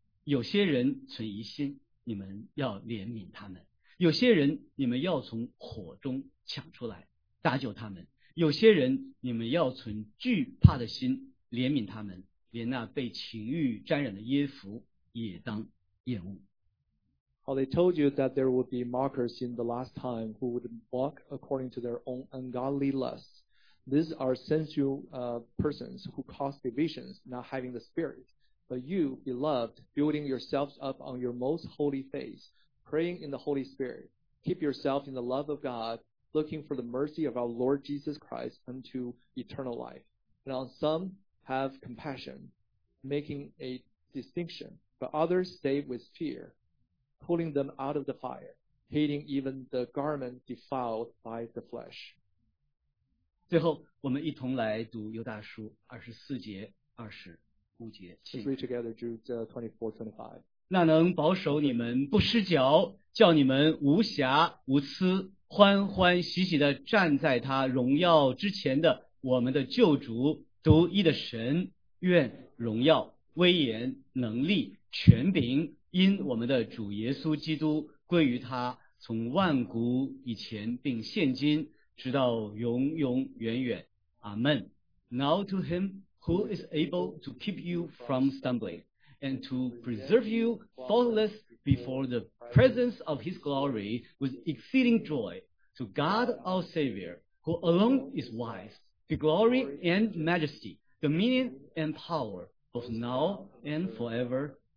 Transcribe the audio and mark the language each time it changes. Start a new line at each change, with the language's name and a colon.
Chinese: 有些人存疑心，你们要怜悯他们；有些人你们要从火中抢出来，搭救他们；有些人你们要存惧怕的心，怜悯他们，连那被情欲沾染的耶弗也当厌恶。
English: Oh, they told you that there would be mockers in the last time who would walk according to their own ungodly lusts. These are sensual persons who cause divisions, not having the Spirit. But you, beloved, building yourselves up on your most holy faith, praying in the Holy Spirit, keep yourself in the love of God, looking for the mercy of our Lord Jesus Christ unto eternal life. And on some have compassion, making a distinction, but others stay with fear. Pulling them out of the fire, hating even the garment defiled by the flesh.
Chinese: 最后，我们一同来读犹大书二十四节、二十五节。
English: Let's read together Jude 24:25.
Chinese: 那能保守你们不失脚，叫你们无瑕无疵，欢欢喜喜地站在他荣耀之前的我们的救主、独一的神，愿荣耀、威严、能力、权柄。因我们的主耶稣基督归于他，从万古以前并现今直到永永远远，阿门。
English: Now to him who is able to keep you from stumbling and to preserve you faultless before the presence of his glory with exceeding joy, to God our Savior, who alone is wise, be glory and majesty, dominion and power, both now and forever.